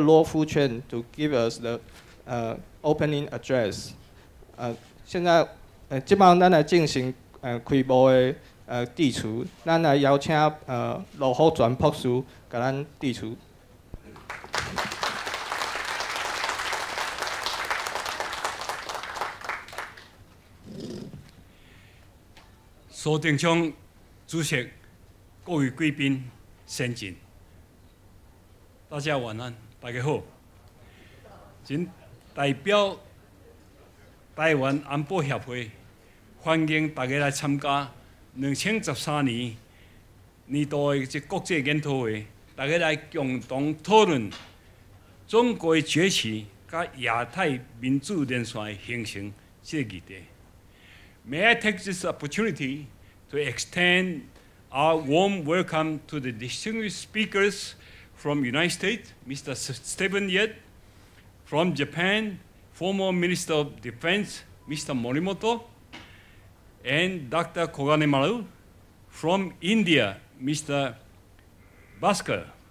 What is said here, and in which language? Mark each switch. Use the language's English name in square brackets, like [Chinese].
[English] Luo Fuchen to give us the opening address. [Chinese] 现在现在我们来进行开幕的致辞，我们来邀请罗福全博士给我们致辞。苏定昌主席，各位贵宾先进，大家晚安，大家好。请代表台湾安保协会欢迎大家来参加2013年年度的这国际研讨会，大家来共同讨论中国的崛起和亚太民主连线的形成这个议题。 [English] May I take this opportunity to extend our warm welcome to the distinguished speakers from United States, Mr. Stephen Yeh, from Japan, former Minister of Defense, Mr. Morimoto, and Dr. Kogane Maru, from India, Mr. Bhaskar.